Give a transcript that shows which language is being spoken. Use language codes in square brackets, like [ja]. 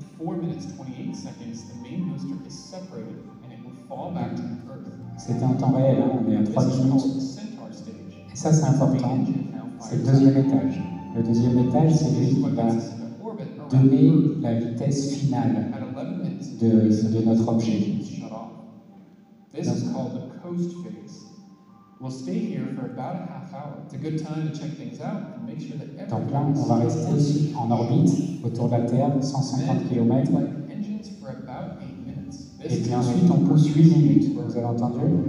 [en] 4 minutes 28 seconds, the main booster is separated and it will fall back to Earth. [fr] C'était en temps réel, hein, on est à 3 minutes. Et ça, c'est important. C'est le deuxième étage. Le deuxième étage, c'est lui qui va donner la vitesse finale de notre objet. [en] This is called the coast phase. We'll stay here for about a half hour. It's a good time to check things out and make sure that everything. [fr] Donc là, on va rester en orbite autour de la Terre, 150 km. Et puis ensuite, on pousse 8 minutes, vous avez entendu?